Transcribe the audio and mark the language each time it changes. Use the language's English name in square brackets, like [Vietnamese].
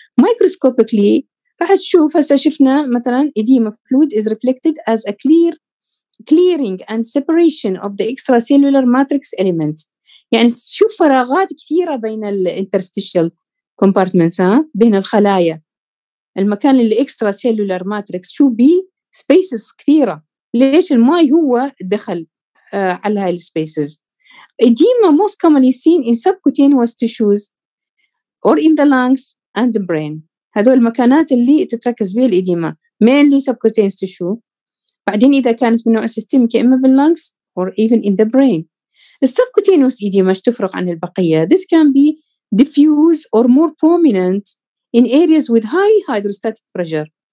[English] microscopically [Arabic] راح تشوف هسه شفنا مثلا [English] edema fluid is reflected as a clearing and separation of the extracellular matrix element. [Arabic] يعني تشوف فراغات كثيره بين الانترستيشال كومبارتمنتس بين الخلايا المكان الاكستراسيلولار ماتريكس شو بي سبيسز كثيره. ليش الماي هو دخل على هاي السبيسز. [English] edema most commonly seen in subcutaneous tissues or in the lungs and the brain. [Arabic] هذول المكانات اللي تتركز بها الإديمة [English] mainly subcutaneous tissue. [Arabic] بعدين إذا كانت من نوع systemic إما باللنكس [English] or even in the brain. subcutaneous edema [Arabic] ايش تفرق عن البقية؟ [English] this can be diffuse or more prominent in areas with high hydrostatic pressure.